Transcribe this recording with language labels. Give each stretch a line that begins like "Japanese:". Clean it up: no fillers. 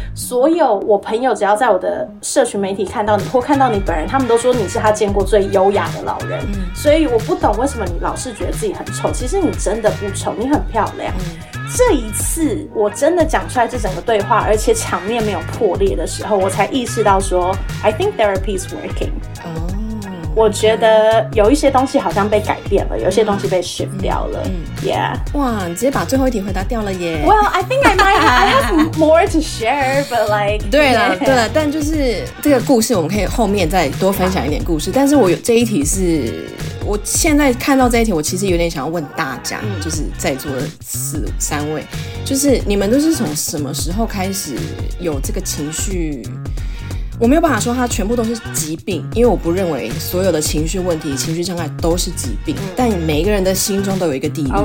Chinese: 所有我朋友只要在我的社群媒体看到你或看到你本人，他们都说你是他见过最优雅的老人、嗯、所以我不懂为什么你老是觉得自己很丑，其实你真的不丑，你很漂亮、嗯、这一次我真的讲出来这整个对话而且场面没有破裂的时候，我才意识到说
English: I think therapy is working、
Chinese: 哦，我觉得有一些东西好像被改变了，有一些东西被 shift 掉了、嗯嗯、Yeah，哇，你直接把最后一题回答掉了耶。
English: Well I think I might have more to share but like
Chinese: 对啦、yeah. 对啦，但就是这个故事我们可以后面再多分享一点故事，但是我有这一题是我现在看到这一题我其实有点想要问大家、嗯、就是在座的3位，就是你们都是从什么时候开始有这个情绪，我没有办法说它全部都是疾病，因为我不认为所有的情绪问题情绪障碍都是疾病、嗯、但每一个人的心中都有一个地狱、